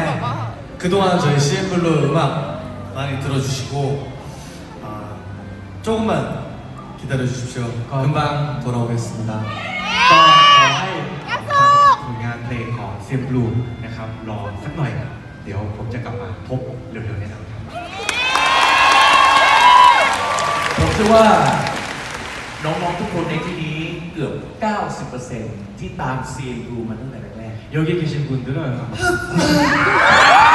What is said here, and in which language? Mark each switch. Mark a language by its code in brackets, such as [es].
[ko] 그동안저희 CM 블루음악많이들어주시고조금만기다려주십시오금방돌아오겠습니다 [th] ขอให้ผลงานเพลงของ CM Blue นะครับรอสักหน่อยครับเดี๋ยวผมจะกลับมาพบเร็วๆนี้ครับ ผมเชื่อว่าน้องๆทุกคนในที่นี้เกือบ 90% ที่ตาม CM Blue มาตั้งแต่แรก [ko] ๆ여기계신분들은여기계신분